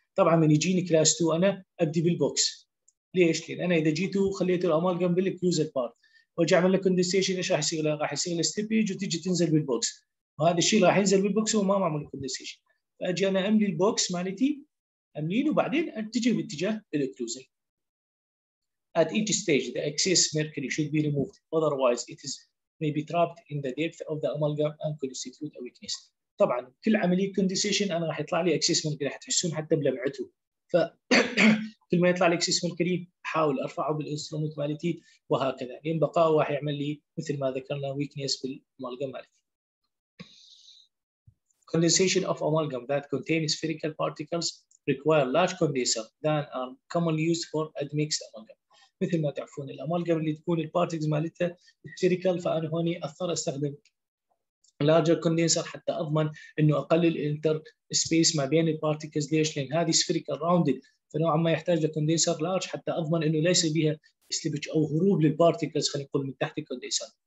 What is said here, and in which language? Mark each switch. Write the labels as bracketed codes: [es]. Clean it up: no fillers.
[ar] طبعا من يجيني كلاس 2 انا ابدي بالبوكس. ليش؟ لان انا اذا جيت وخليت الامالجام بالكلوزر بارت وجي اعمل لك كونديسيشن، ايش راح يصير لك؟ راح يصير لك ستيبيج وتجي تنزل بالبوكس، وهذا الشيء راح ينزل بالبوكس وما معمول لك كونديسيشن. فاجي انا املي البوكس مالتي املين وبعدين اتجه باتجاه الاكلوزر. [en] At each stage the excess mercury should be removed otherwise it is may be trapped in the depth of the amalgam and constitute a weakness. [ar] طبعا كل عمليه كونديسيشن انا راح يطلع لي [en] excess mercury، [ar] راح تحسون حتى بلمعته. ف كل ما يطلع لك اكسس ملكري احاول ارفعه بالانسترومنت مالتي وهكذا، لان بقاءه راح يعمل لي مثل ما ذكرنا ويكنس بالمالجم مالتي. [en] Condensation of amalgam that contains spherical particles require large condenser than are commonly used for admixed amalgam. [ar] مثل ما تعرفون الامالجم اللي تكون البارتكلز مالتها spherical، فانا هوني اضطر استخدم لارجر كونديسر حتى اضمن انه اقلل الانتر سبيس ما بين البارتكلز. ليش؟ لان هذه [en] spherical rounded، [ar] فنوعا ما يحتاج لكونديسر لارج حتى اضمن انه ليس بها سليبج او هروب للبارتكلز، خلينا نقول من تحت الكونديسر.